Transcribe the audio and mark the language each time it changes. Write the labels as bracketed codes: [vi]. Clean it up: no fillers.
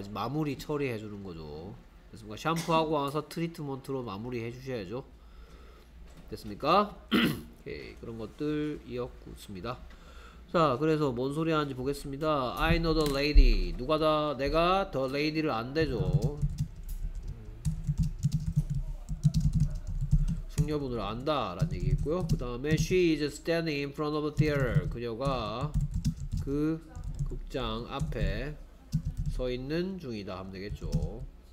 [ko] 마무리 처리해주는 거죠. 됐습니까? 샴푸하고 와서 트리트먼트로 마무리해주셔야죠. 됐습니까? 오케이. 그런 것들 이었습니다. 자, 그래서 뭔 소리 하는지 보겠습니다. [en] I know the lady. [ko] 누가 다? 내가 [en] the lady를 [ko] 안대죠. 숙녀분을 안다 라는 얘기 있고요. 그 다음에 [en] she is standing in front of the theater. [ko] 그녀가 그 극장 앞에 서 있는 중이다 하면 되겠죠.